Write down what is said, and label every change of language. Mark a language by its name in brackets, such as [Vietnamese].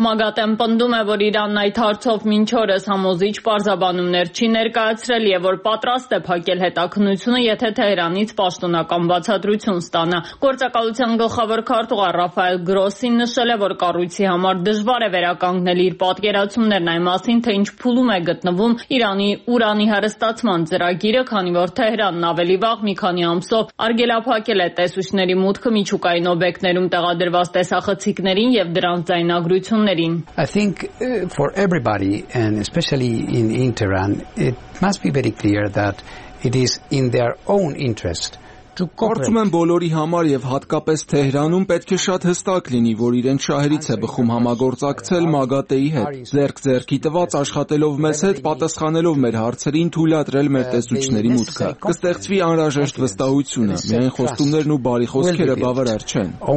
[Armenian] Ագատեն պնդում է, որ Իրանն այդ հարցով մինչ օրս համոզիչ պարզաբանումներ չի ներկայացրել և որ պատրաստ է փակել հետաքնությունը, եթե Թեհրանից պաշտոնական բացատրություն ստանա։ Գործակալության գլխավոր քարտուղար Ռաֆայել Գրոսին նշել է, որ կառույցի համար դժվար է վերականգնել իր պատկերացումներն այն մասին, թե ինչ փուլում է գտնվում Իրանի ուրանի հարստացման ծրագիրը, քանի որ Թեհրանն ավելի վաղ մի քանի ամսով արգելափակել է տեսուչների մուտքը միջուկային օբյեկտներում տեղադրված տեսախցիկներին և դրանց ձայնագրություններին։ [English] I think for everybody and especially in Tehran it must be very clear that it is in their own interest. [Armenian] Կարծում եմ բոլորի համար եւ հատկապես Թեհրանում պետք է շատ հստակ լինի, որ իրենց շահերից է բխում համագործակցել ՄԱԳԱՏԵ-ի հետ, ձերք ձերքի տված աշխատելով մեզ հետ, պատասխանելով մեր հարցերին, թույլատրել մեր տեսուչների մուտքը։ Կստեղծվի անհրաժեշտ վստահությունը, միայն խոստումներն ու բարի խոսքերը բավարար չեն։